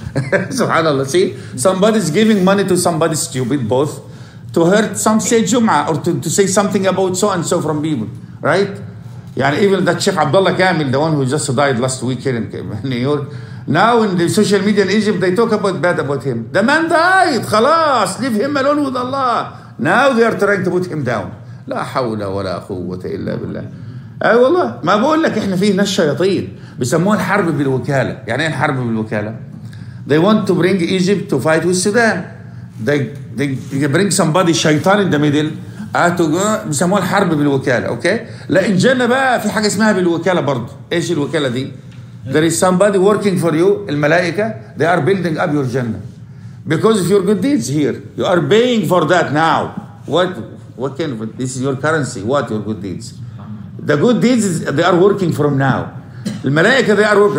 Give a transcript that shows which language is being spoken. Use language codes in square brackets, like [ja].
[en] SubhanAllah, see? Somebody's giving money to somebody stupid, both, to hurt some, say Jum'ah, or to say something about so-and-so from people, right? Yani even that Sheikh Abdullah Kamil, the one who just died last week here in New York, now in the social media in Egypt, they talk about bad about him. The man died, خلاص, leave him alone with Allah. Now they are trying to put him down. [ar] لا حول ولا قوة إلا بالله. أي والله ما بقول لك إحنا فيه ناس شياطين بيسموها الحرب بالوكالة. يعني إيه الحرب بالوكالة؟ [en] They want to bring Egypt to fight with Sudan. They bring somebody شيطان in the middle. [ar] بيسموها الحرب بالوكالة. أوكي؟ لا إن جنة بقى في حاجة اسمها بالوكالة برضو. إيش الوكالة دي؟ [en] There is somebody working for you. الملائكة they are building up your Jannah because of your good deeds here. You are paying for that now. What kind of this is your currency? What your good deeds? The good deeds is, they are working from now. الملائكة they are working.